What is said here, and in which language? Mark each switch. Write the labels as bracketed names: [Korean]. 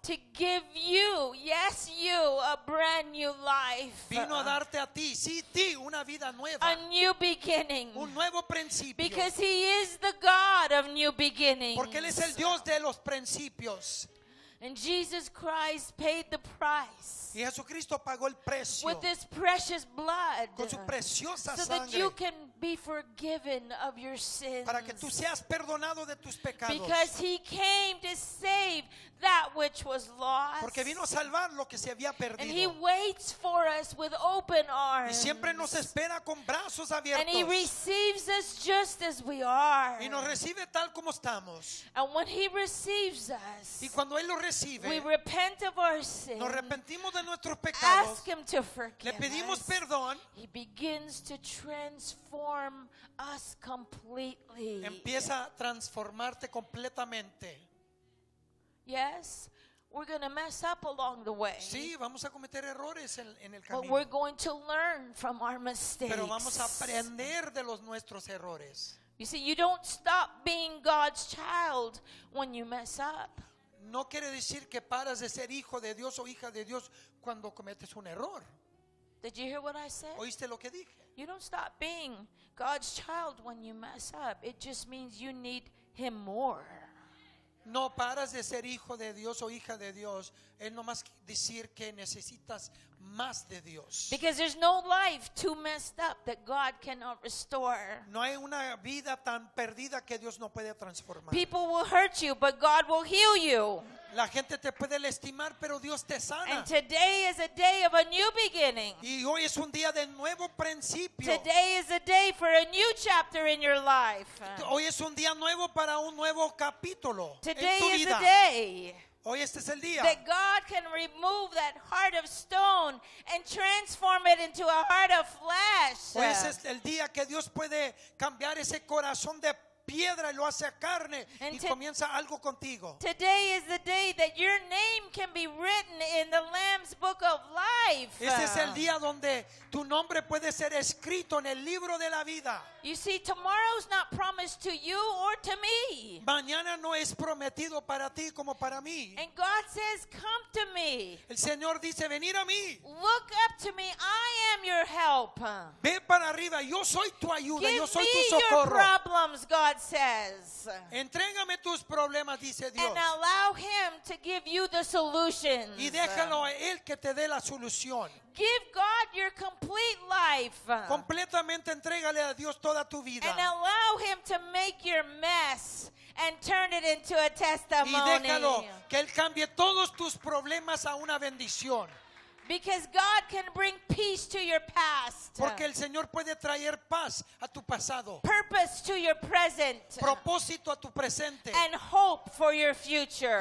[English] to give you, yes, you, a brand new life. [Spanish] Vino a darte a ti, sí, ti, una vida nueva. [English] A new beginning. [Spanish] Un nuevo principio. [English] Because He is the God of new beginnings. [Spanish] Porque Él es el Dios de los principios. [English] And Jesus Christ paid the price. [Spanish] Y Jesucristo pagó el precio. [English] With His precious blood. [Spanish] Con su preciosa sangre. [English] So that you can be forgiven of your sins. [Spanish] Para que tú seas perdonado de tus pecados. [English] Because He came to save that which was lost. [Spanish] Porque vino a salvar lo que se había perdido. [English] And He waits for us with open arms. [Spanish] Y siempre nos espera con brazos abiertos. [English] And He receives us just as we are. [Spanish] Y nos recibe tal como estamos. [English] And when He receives us, [Spanish] y cuando Él lo recibe, [English] we repent of our sins. [Spanish] Nos arrepentimos de nuestros pecados. [English] Ask Him to forgive us. [Spanish] Le pedimos perdón. [English] He begins to transform us completely. [Spanish] Empieza a transformarte completamente. [English] Yes, we're going to mess up along the way. [Spanish] Sí, vamos a cometer errores en el camino. [English] But we're going to learn from our mistakes. [Spanish] Pero vamos a aprender de los nuestros errores. [English] You see, you don't stop being God's child when you mess up. [Spanish] No quiere decir que paras de ser hijo de Dios o hija de Dios cuando cometes un error. [English] Did you hear what I said? [Spanish] ¿Oíste lo que dije? [English] You don't stop being God's child when you mess up. It just means you need Him more. [Spanish] No paras de ser hijo de Dios o hija de Dios. Es nomás decir que necesitas más de Dios. [English] Because there's no life too messed up that God cannot restore. [Spanish] No hay una vida tan perdida que Dios no puede transformar. [English] People will hurt you, but God will heal you. [Spanish] La gente te puede lastimar, pero Dios te sana. [English] And today is a day of a new beginning. [Spanish] Y hoy es un día de nuevo principio. [English] Today is a day for a new chapter in your life. [Spanish] Hoy es un día nuevo para un nuevo capítulo en tu vida. [English] Today is a day. [Spanish] Hoy este es el día. [English] That God can remove that heart of stone and transform it into a heart of flesh. [Spanish] Hoy este es el día que Dios puede cambiar ese corazón de piedra y lo hace a carne y comienza algo contigo. [English] Today is the day that your name can be written in the Lamb's book of life. [Spanish] Este es el día donde tu nombre puede ser escrito en el libro de la vida. [English] You see, tomorrow's not promised to you or to me. [Spanish] Mañana no es prometido para ti como para mí. [English] And God says, come to me. [Spanish] El Señor dice, venir a mí. [English] Look up to me. I am your help. [Spanish] Ve para arriba. Yo soy tu ayuda. [English] Give [Spanish] yo soy tu socorro. [English] Give me your problems, God says. [Spanish] Entrégame tus problemas, dice Dios. [English] And allow Him to give you the solutions. [Spanish] Y déjalo a Él que te dé la solución. [English] Give God your complete life. [Spanish] Completamente entrégale a Dios toda tu vida. [English] And allow Him to make your mess and turn it into a testimony. [Spanish] Y déjalo que Él cambie todos tus problemas a una bendición. [English] Because God can bring peace to your past. [Spanish] Porque el Señor puede traer paz a tu pasado. [English] Purpose to your present. [Spanish] Propósito a tu presente. [English] And hope for your future.